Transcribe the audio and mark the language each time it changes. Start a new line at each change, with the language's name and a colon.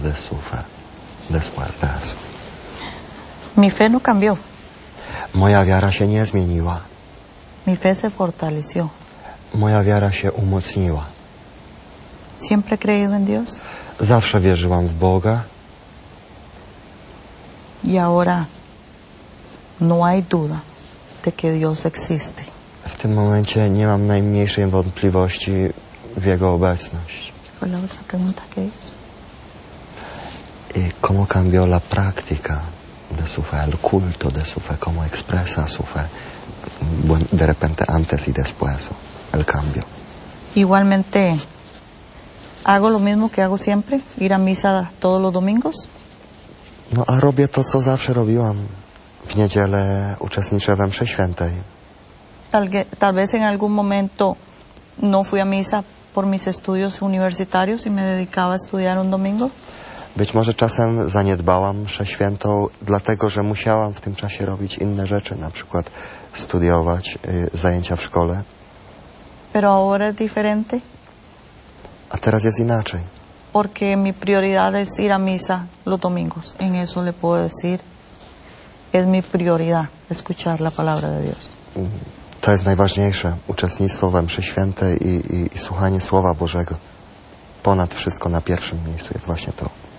Spanish: de sufe después de eso. Mi fe no cambió.
Polish: Moja wiara się nie zmieniła.
Spanish: Mi fe se fortaleció.
Polish: Moja wiara się umocniła.
Spanish: Siempre creído en Dios.
Polish: Zawsze wierzyłam w Boga.
Spanish: Y ahora no hay duda de que Dios existe.
Polish: W tym momencie nie mam najmniejszej wątpliwości w Jego obecność.
Spanish: ¿Cuál es la pregunta que es? ¿Cómo cambió la práctica de su fe, el culto de su fe, cómo expresa su fe, de repente antes y después, el cambio? Igualmente, hago lo mismo que hago siempre, ir a misa todos los domingos.
Polish: No, a robię to, co zawsze robiłam. W niedzielę uczestniczę we mszy świętej.
Spanish: Tal vez en algún momento no fui a misa por mis estudios universitarios y me dedicaba a estudiar un domingo.
Polish: Być może czasem zaniedbałam mszę świętą, dlatego że musiałam w tym czasie robić inne rzeczy, na przykład studiować, zajęcia w szkole.
Spanish: Pero ahora es diferente.
Polish: A teraz jest inaczej.
Spanish: Porque mi prioridad es ir a misa los domingos. En eso le puedo decir. Es mi prioridad escuchar la palabra de Dios.
Polish: To jest najważniejsze, uczestnictwo we mszy świętej i słuchanie Słowa Bożego. Ponad wszystko na pierwszym miejscu jest właśnie to.